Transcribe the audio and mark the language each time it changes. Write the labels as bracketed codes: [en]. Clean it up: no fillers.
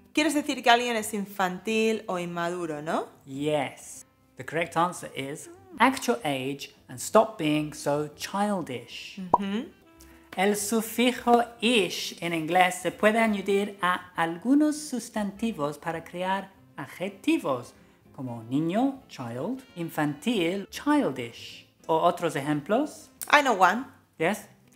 [es] Quieres decir que alguien es infantil o inmaduro, ¿no? [en] Yes. The correct answer is act your age and stop being so childish. [es] El sufijo ish en inglés se puede añadir a algunos sustantivos para crear adjetivos, como niño, child, infantil, childish. ¿O otros ejemplos? [en] I know one. Yes.